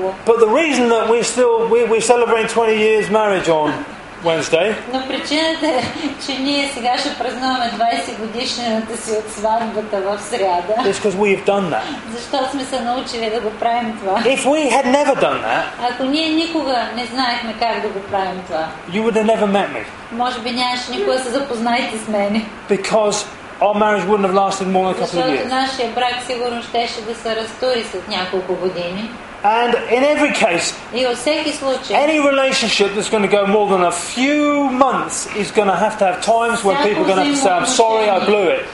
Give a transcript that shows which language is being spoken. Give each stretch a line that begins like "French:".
English: But the reason that we're celebrating 20 years marriage on Wednesday.
Bulgarian: Но причината, че ние сега ще празнуваме 20 годишнината си от сватбата в сряда.
English: It's because we've done that.
Bulgarian: Защо сме се научили да го правим това?
English: If we had never done that,
Bulgarian: ако ние никога не знаехме как да го правим това,
English: you would have never met me.
Bulgarian: Може би нямаше никога се запознаете с мене.
English: Because our marriage wouldn't have lasted more than a couple of years.
Bulgarian: Защото нашия брак сигурно щеше да се разтури след няколко години.
English: And in every case, any relationship that's going to go more than a few months is going to have times where people are going to have to say, I'm sorry, I blew it.